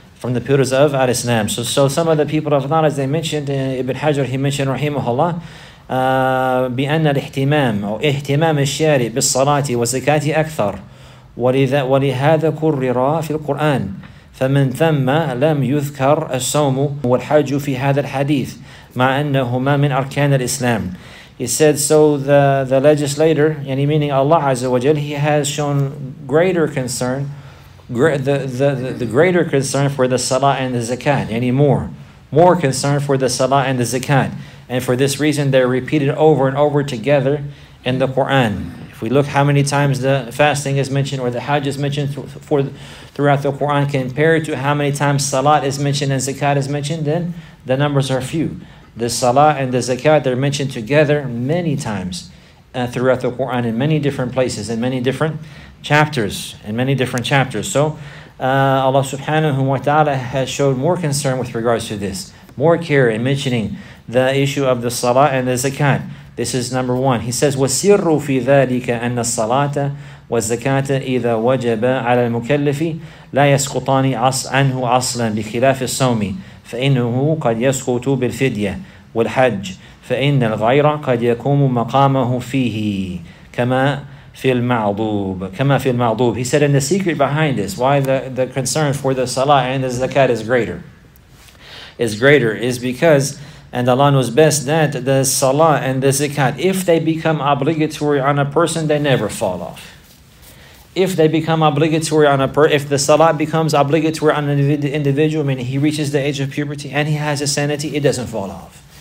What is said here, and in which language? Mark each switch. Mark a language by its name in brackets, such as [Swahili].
[English] From the pillars of al-Islam. So some of the people of knowledge, they mentioned Ibn Hajar, he mentioned rahimahullah, [Arabic] بأن الاهتمام أو اهتمام الشارع بالصلاة والزكاة أكثر. ولهذا كرر في القرآن فمن ثم لم يذكر الصوم والحج في هذا الحديث مع أنهما من أركان الإسلام. [English] He said, so the legislator, yani meaning Allah Azza wa Jal, he has shown greater concern, the greater concern for the Salah and the Zakat, yani more concern for the Salah and the Zakat, and for this reason they're repeated over and over together in the Quran. We look how many times the fasting is mentioned or the Hajj is mentioned throughout the Quran compared to how many times Salat is mentioned and Zakat is mentioned, then the numbers are few. The Salat and the Zakat, they're mentioned together many times throughout the Quran in many different places, in many different chapters, in many different chapters. So Allah subhanahu wa ta'ala has showed more concern with regards to this, more care in mentioning the issue of the Salat and the Zakat. This is number one. [Arabic] He says, وَسِرُّ فِي ذَلِكَ أَنَّ الصَّلَاةَ وَالزَّكَاةَ إِذَا وَجَبَ عَلَى الْمُكَلِّفِ لَا يَسْقُطَانِ عَنْهُ عَصْلًا بِخِلَافِ الصَّوْمِ فَإِنُّهُ قَدْ يَسْقُطُ بِالْفِدْيَةِ وَالْحَجِّ فَإِنَّ الْغَيْرَ قَدْ يَكُومُ مَقَامَهُ فِيهِ كَمَا فِي الْمَعْضُوبِ كَمَا فِي الْمَعْضُوبِ. [English] He said, and the secret behind this, why the concern for the salah and the zakat is greater. is greater is because, and Allah knows best, that the salah and the zakat, if they become obligatory on a person, they never fall off. If they become obligatory on a person, if the salah becomes obligatory on an individual, meaning he reaches the age of puberty and he has his sanity, it doesn't fall off.